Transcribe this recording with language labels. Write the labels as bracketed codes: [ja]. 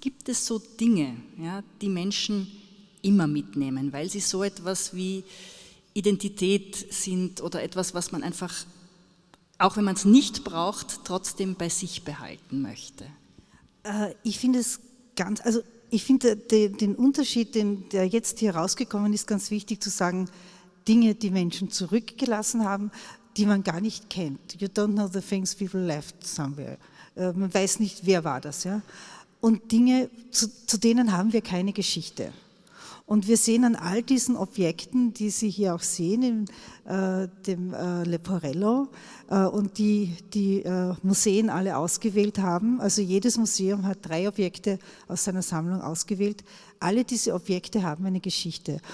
[de] Gibt es so Dinge, ja, die Menschen immer mitnehmen, weil sie so etwas wie Identität sind oder etwas, was man einfach, auch wenn man es nicht braucht, trotzdem bei sich behalten möchte? Ich finde den Unterschied, der jetzt hier rausgekommen ist, ganz wichtig zu sagen, Dinge, die Menschen zurückgelassen haben, die man gar nicht kennt. [en] You don't know the things people left somewhere. [de] Man weiß nicht, wer war das. Ja? Und Dinge, zu denen haben wir keine Geschichte. Und wir sehen an all diesen Objekten, die Sie hier auch sehen, in dem Leporello und die die Museen alle ausgewählt haben, also jedes Museum hat 3 Objekte aus seiner Sammlung ausgewählt, alle diese Objekte haben eine Geschichte.